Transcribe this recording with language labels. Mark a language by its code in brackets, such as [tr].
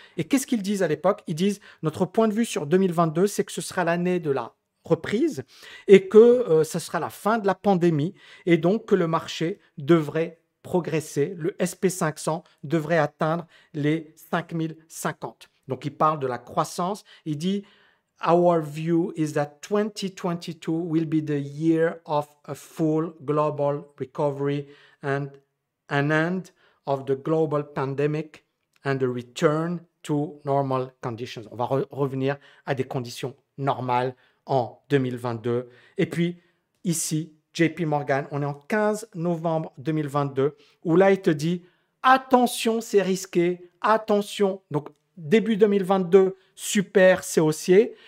[fr] Et qu'est-ce qu'ils disent à l'époque ? Ils disent, notre point de vue sur 2022, c'est que ce sera l'année de la reprise et que ce sera la fin de la pandémie et donc que le marché devrait progresser. Le SP500 devrait atteindre les 5050. Donc ils parlent de la croissance. Ils disent, [en] our view is that 2022 will be the year of a full global recovery and an end of the global pandemic and a return to normal conditions. [fr] On va revenir à des conditions normales en 2022. Et puis ici, JP Morgan, on est en 15 novembre 2022, où là, il te dit, attention, c'est risqué, attention. Donc, début 2022, super, c'est haussier.